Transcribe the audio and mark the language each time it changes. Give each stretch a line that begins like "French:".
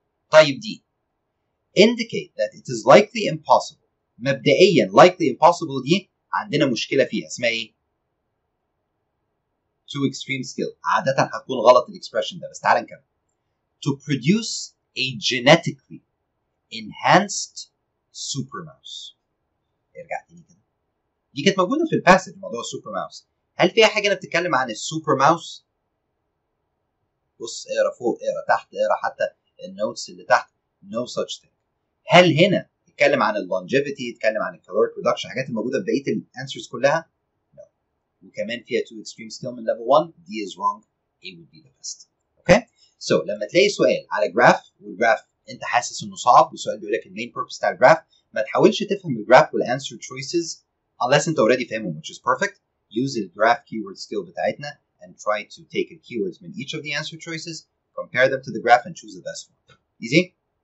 Arabic: طيب دي
English: indicate that it is likely impossible.
Arabic: مبدئيا
English: likely impossible
Arabic: دي عندنا مشكله فيها اسمها ايه؟
English: to extreme skill.
Arabic: عاده هتكون غلط الاكسبرشن ده بس تعال نكمل.
English: to produce a genetically enhanced super mouse.
Arabic: ارجع تاني كده. دي كانت موجوده في الباسج موضوع السوبر ماوس. هل فيها حاجة أنا بتتكلم عن السوبر ماوس؟ بص اقرا فوق اقرا تحت اقرا حتى النوتس اللي تحت
English: no such thing.
Arabic: هل هنا اتكلم عن اللونجيفيتي اتكلم عن الكالوريك ريدكشن حاجات الموجودة في بقية الانسرز كلها؟ لا. وكمان فيها
English: two extreme skill من level 1 دي is wrong A would be the best.
Arabic: اوكي؟ سو لما تلاقي سؤال على جراف والجراف أنت حاسس إنه صعب والسؤال بيقول لك المين بيربس بتاع الجراف ما تحاولش تفهم الجراف والانسر تشويسز unless أنت already فاهمهم
English: which is perfect. Use the graph keyword skill
Arabic: بتاعتنا
English: and try to take the keywords from each of the answer choices, compare them to the graph and choose the best one. Easy?